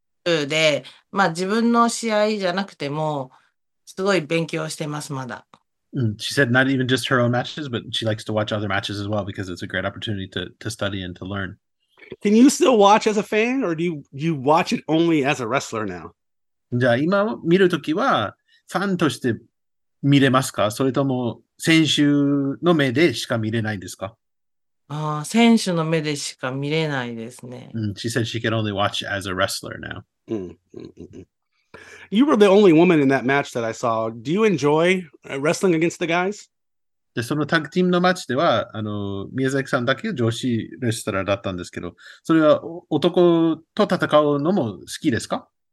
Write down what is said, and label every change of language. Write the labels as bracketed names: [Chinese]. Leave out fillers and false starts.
[Japanese] で、自分の試合じゃなくても、すごい勉強してます、まだ。 [English] She said not even just her own matches, but she likes to watch other matches as well because it's a great opportunity to study and to learn. Can you still watch as a fan, or do you watch it only as a wrestler now? [Japanese] じゃあ、今見るときは、ファンとして見れますか？それとも、選手の目でしか見れないんですか？選手の目でしか見れないですね。 [English] She said she can only watch as a wrestler now. You were the only woman in that match that I saw. Do you enjoy wrestling against the guys? [Japanese] で、そのタッグチームのマッチでは、宮崎さんだけ女子レスラーだったんですけど、それは男と戦うのも好きですか？